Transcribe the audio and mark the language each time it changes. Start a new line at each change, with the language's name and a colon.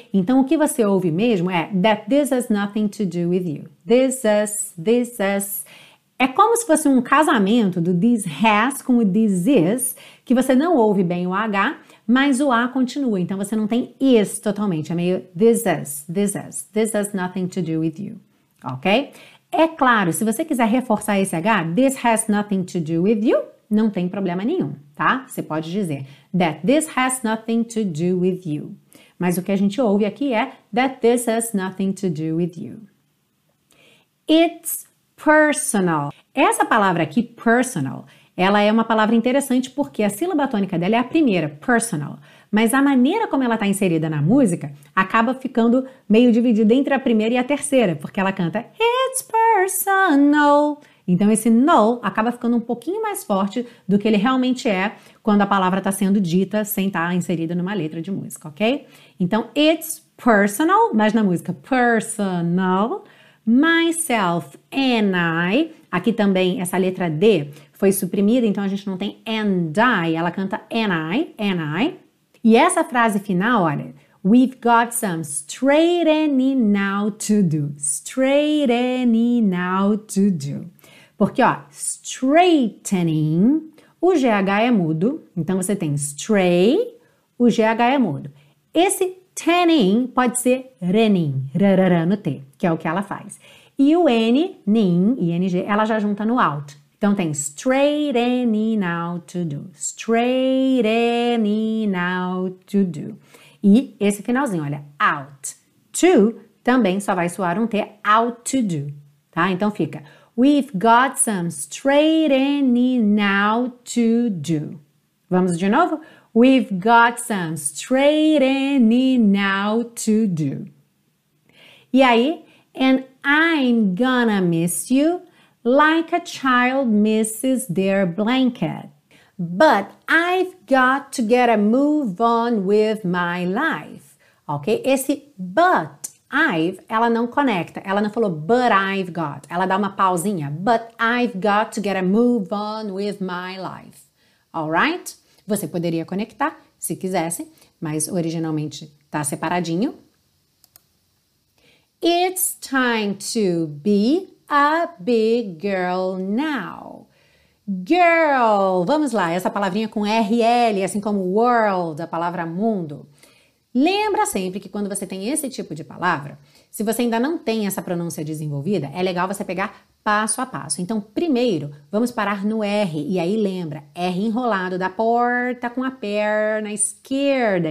Portuguese: Então, o que você ouve mesmo é
English: that this has nothing to do with you. This has.
Portuguese: É como se fosse um casamento do
English: this has
Portuguese: com o
English: this is,
Portuguese: que você não ouve bem o H, mas o A continua. Então, você não tem is totalmente. É meio this has.
English: This has nothing to do with you, ok?
Portuguese: É claro, se você quiser reforçar esse H,
English: this has nothing to do with you,
Portuguese: não tem problema nenhum, tá? Você pode dizer
English: that this has nothing to do with you.
Portuguese: Mas o que a gente ouve aqui é
English: that this has nothing to do with you. It's personal.
Portuguese: Essa palavra aqui, personal, ela é uma palavra interessante porque a sílaba tônica dela é a primeira, personal. Mas a maneira como ela está inserida na música acaba ficando meio dividida entre a primeira e a terceira, porque ela canta
English: it's personal.
Portuguese: Então, esse no acaba ficando um pouquinho mais forte do que ele realmente é quando a palavra está sendo dita sem estar inserida numa letra de música, ok? Então,
English: it's personal,
Portuguese: mas na música,
English: personal, myself and I.
Portuguese: Aqui também, essa letra D foi suprimida, então a gente não tem
English: and I,
Portuguese: ela canta and I. E essa frase final, olha,
English: we've got some straightening out to do. Straightening out to do.
Portuguese: Porque, ó, straightening, o GH é mudo, então você tem straight, o GH é mudo. Esse tanning pode ser renin, rarara no T, que é o que ela faz. E o N, nin, ing, ela já junta no out. Então tem
English: straightening out to do, straightening out to do.
Portuguese: E esse finalzinho, olha,
English: out to,
Portuguese: também só vai soar um T,
English: out to do,
Portuguese: tá? Então fica...
English: We've got some straightening out to do.
Portuguese: Vamos de novo?
English: We've got some straightening out to do.
Portuguese: E aí?
English: And I'm gonna miss you like a child misses their blanket. But I've got to get a move on with my life. Ok?
Portuguese: Esse
English: but. I've,
Portuguese: ela não conecta, ela não falou
English: but I've got,
Portuguese: ela dá uma pausinha,
English: but I've got to get a move on with my life, alright?
Portuguese: Você poderia conectar, se quisesse, mas originalmente tá separadinho.
English: It's time to be a big girl now.
Portuguese: Girl, vamos lá, essa palavrinha com RL, assim como world, a palavra mundo. Lembra sempre que quando você tem esse tipo de palavra, se você ainda não tem essa pronúncia desenvolvida, é legal você pegar passo a passo. Então, primeiro, vamos parar no R. E aí, lembra, R enrolado da porta com a perna esquerda.